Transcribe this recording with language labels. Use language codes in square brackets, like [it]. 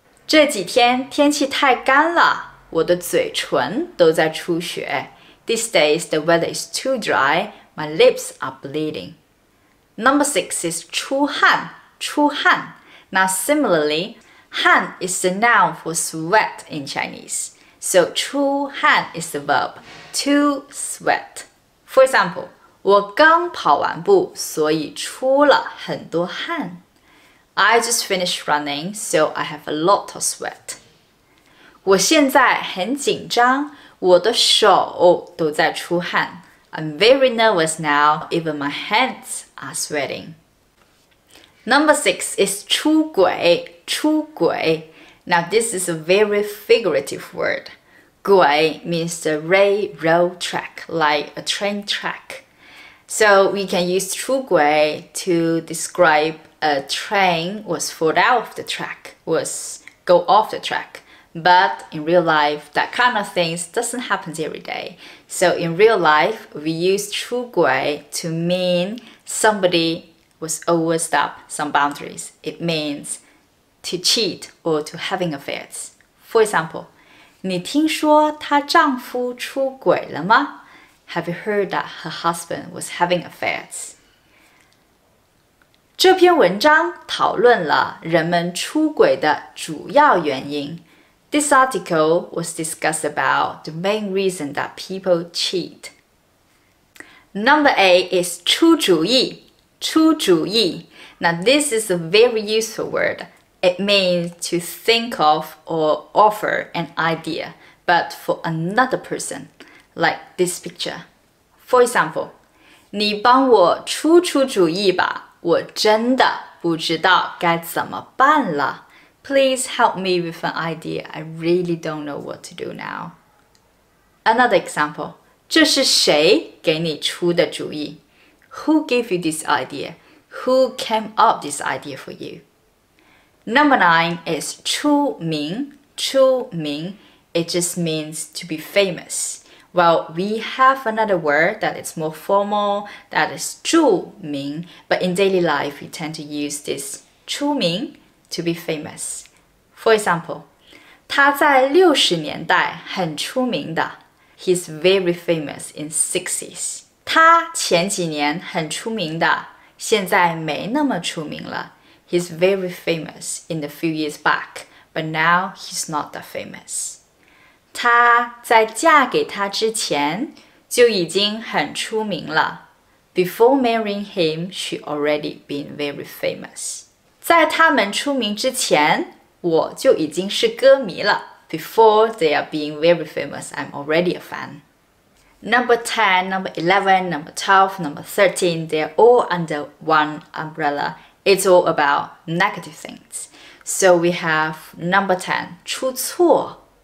[zh] 这几天天气太干了，我的嘴唇都在出血。 [en] These days the weather is too dry, my lips are bleeding. Number 6 is 出汗，出汗。Now similarly, 汗 is the noun for sweat in Chinese. So 出汗 is the verb, to sweat. For example, [zh] 我刚跑完步，所以出了很多汗。 [en] I just finished running, so I have a lot of sweat. [zh] 我现在很紧张，我的手都在出汗。 [en] I'm very nervous now, even my hands are sweating. Number 6 is 出轨，出轨。 Now this is a very figurative word. 轨 means the railroad track, like a train track. So we can use 出轨 to describeA train was fall out of the track, was go off the track. But in real life, that kind of things doesn't happen every day. So in real life, we use 出轨 to mean somebody was overstep some boundaries. It means to cheat or to having affairs. For example, [zh] 你听说她丈夫出轨了吗? [en] Have you heard that her husband was having affairs? [zh] 这篇文章讨论了人们出轨的主要原因。 [en] This article was discussed about the main reason that people cheat. Number 8 is 出主意。出主意。 Now this is a very useful word. It means to think of or offer an idea, but for another person, like this picture. For example, [zh] 你帮我出出主意吧。我真的不知道该怎么办了。 [en] Please help me with an idea. I really don't know what to do now. Another example. [zh] 这是谁给你出的主意? [en] Who gave you this idea? Who came up this idea for you? Number 9 is 出名。出名。 It just means to be famous. Well, we have another word that is more formal, that is 著名, but in daily life, we tend to use this 出名 to be famous. For example, [zh] 他在六十年代很出名的。 [en] He's very famous in 60s. [zh] 他前几年很出名的,现在没那么出名了。 [en] He's very famous in a few years back, but now he's not that famous. [zh] 她在嫁给他之前就已经很出名了。 [en] Before marrying him, she already been very famous. [zh] 在他们出名之前，我就已经是歌迷了。 [en] Before they are being very famous, I'm already a fan. Number 10, number 11, number 12, number 13, they're all under one umbrella. It's all about negative things. So we have number 10, 出错。